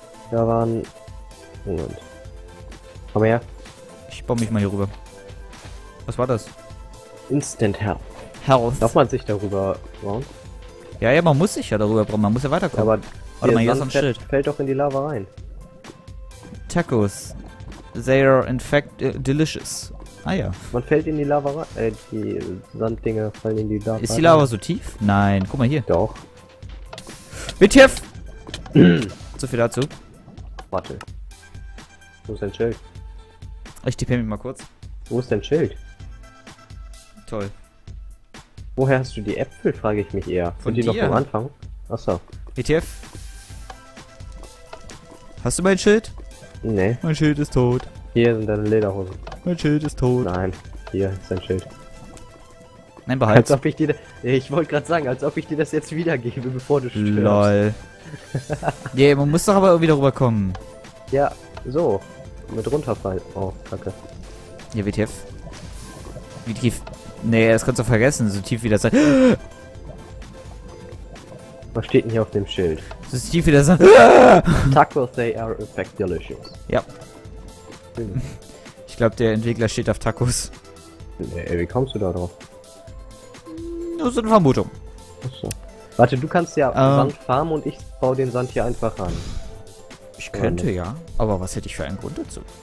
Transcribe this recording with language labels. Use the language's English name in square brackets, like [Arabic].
[German] Da waren. Moment. Komm her. Ich baue mich mal hier rüber. Was war das? [English] Instant Health. Health. [German] Darf man sich darüber bauen? Ja, man muss sich ja darüber bauen. Man muss ja weiterkommen. Ja, aber. Warte mal, hier ist ein Schild. Fällt doch in die Lava rein. [English] Tacos. They are in fact delicious. [German] Ah ja. Man fällt in die Lava rein. Die Sanddinger fallen in die Lava rein. Ist die Lava so tief? Nein. Guck mal hier. Doch. WTF! Zu viel dazu. Warte. Wo ist dein Schild? Ich tippe mich mal kurz. Wo ist dein Schild? Toll. Woher hast du die Äpfel, frage ich mich eher. Von die dir? Noch am Anfang? Achso. [English] WTF! [German] Hast du mein Schild? Nee. Mein Schild ist tot. Hier sind deine Lederhosen. Mein Schild ist tot. Nein. Hier ist dein Schild. Nein, behalte. Als ob ich dir. Ich wollte gerade sagen, als ob ich dir das jetzt wiedergebe, bevor du stirbst. Lol. Yeah, man muss doch aber irgendwie darüber kommen. Ja, so. Mit runterfallen. Oh, kacke. Ja, WTF. Wie tief. Nee, das kannst du vergessen, so tief wie das sein. Was steht denn hier auf dem Schild? So tief wie das sein. [English] Tacos, they are in fact delicious. [German] Ja. Ich glaube, der Entwickler steht auf Tacos. Nee, wie kommst du da drauf? Das ist eine Vermutung. Achso. Warte, du kannst ja Sand farmen und ich baue den Sand hier einfach an. Ich könnte ja, aber was hätte ich für einen Grund dazu?